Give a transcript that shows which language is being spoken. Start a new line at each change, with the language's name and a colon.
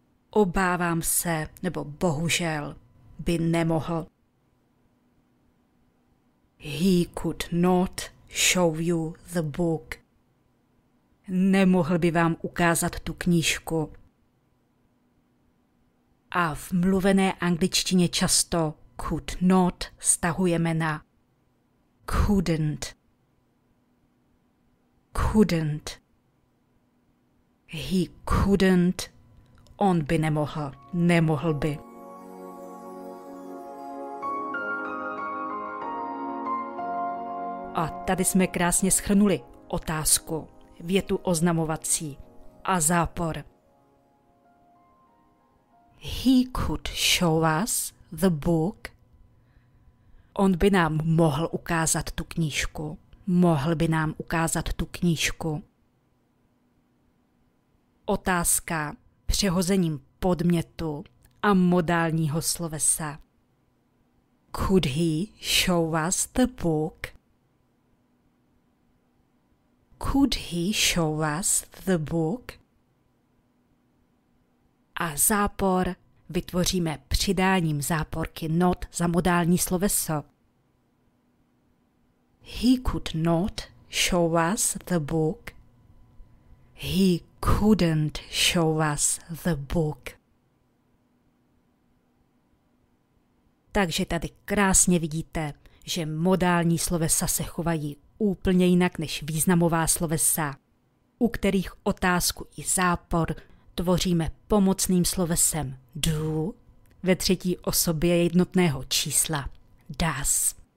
Czech: Obávám se, nebo bohužel, by nemohl.
English: He could not show you the book.
Czech: Nemohl by vám ukázat tu knížku. A v mluvené angličtině často could not stahujeme na couldn't.
English: Couldn't. He couldn't.
Czech: On by nemohl. Nemohl by. A tady jsme krásně shrnuli otázku, větu oznamovací a zápor.
English: He could show us the book.
Czech: On by nám mohl ukázat tu knížku. Mohl by nám ukázat tu knížku. Otázka přehozením podmětu a modálního slovesa.
English: Could he show us the book? Could he show us the book?
Czech: A zápor vytvoříme přidáním záporky not za modální sloveso.
English: He could not show us the book. He couldn't show us the book.
Czech: Takže tady krásně vidíte, že modální slovesa se chovají úplně jinak než významová slovesa, u kterých otázku i zápor tvoříme pomocným slovesem do ve třetí osobě jednotného čísla does.